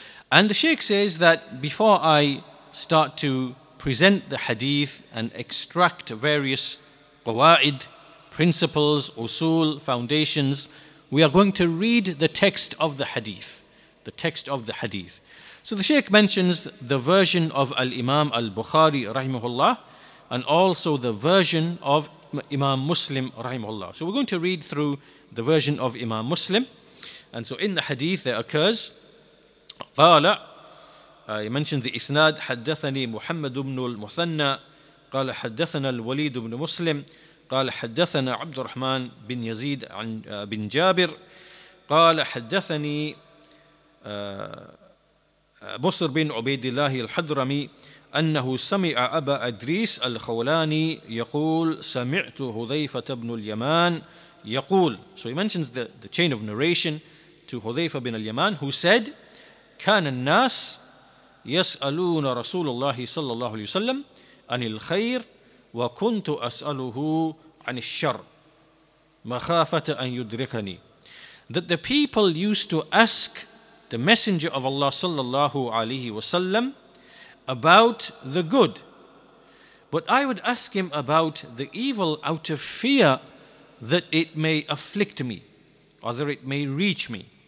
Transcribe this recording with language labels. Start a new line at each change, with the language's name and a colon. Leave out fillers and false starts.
English: And the Shaykh says that before I start to present the hadith and extract various qawaid, principles, usul, foundations, we are going to read the text of the hadith. The text of the hadith. So the Shaykh mentions the version of Al-Imam Al-Bukhari rahimahullah, and also the version of Imam Muslim rahimahullah. So we're going to read through the version of Imam Muslim. And so in the hadith there occurs, qala, he mentioned the isnad,
Arabic: حدثني محمد بن المثنى قال حدثنا الوليد بن مسلم قال حدثنا عبد الرحمن بن يزيد عن بن جابر قال حدثني بصر بن عبيد الله الحضرمي أنه سمع أبا أدريس الخولاني يقول سمعت حذيفة بن اليمان يقول.
English: So he mentions the chain of narration to Hudhayfah ibn al-Yamaan, who said
Arabic: كان الناس يسألون رسول الله صلى الله عليه وسلم عن الخير وكنت أسأله عن الشر مخافة أن يدركني.
English: That the people used to ask the Messenger of Allah
Arabic: صلى الله عليه وسلم
English: about the good, but I would ask him about the evil out of fear that it may afflict me, or that it may reach me.